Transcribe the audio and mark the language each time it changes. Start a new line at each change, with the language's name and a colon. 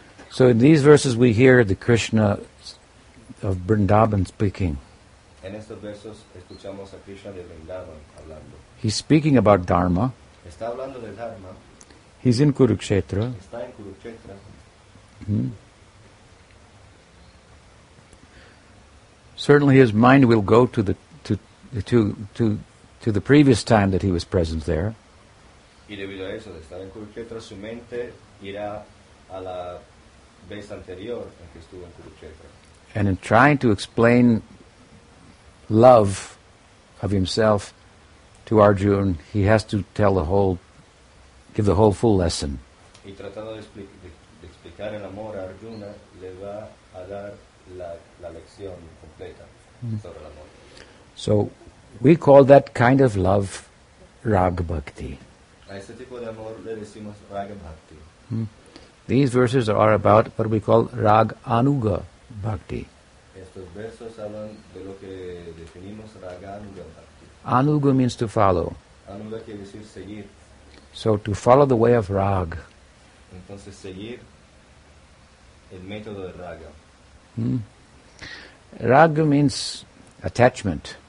English: So in these verses we hear the Krishna of Vrindavan speaking.
Spanish: En estos versos escuchamos a Krishna de Vrindavan hablando.
English: He's speaking about Dharma.
Spanish: Está hablando de Dharma.
English: He's in Kurukshetra.
Spanish: Está en Kurukshetra. Hmm.
English: Certainly his mind will go to the previous time that he was present there.
Spanish: Y debido a eso, de estar en Kurukshetra, su mente irá a la vez anterior en que estuvo en Kurukshetra.
English: And in trying to explain love of himself to Arjuna, he has to tell the whole, give the whole full lesson.
Spanish: Y tratando de explicar el amor a Arjuna, le va a dar la lección completa sobre el amor.
English: So, we call that kind of love rag bhakti.
Spanish: A ese tipo de amor le decimos rag bhakti. Hmm.
English: These verses are about what we call rag anuga bhakti.
Spanish: Estos versos hablan de lo que definimos rag anuga bhakti.
English: Anuga means to follow.
Spanish: Anuga quiere decir seguir.
English: So to follow the way of rag.
Spanish: Entonces seguir el método de raga.
English: Hmm. Rag means attachment.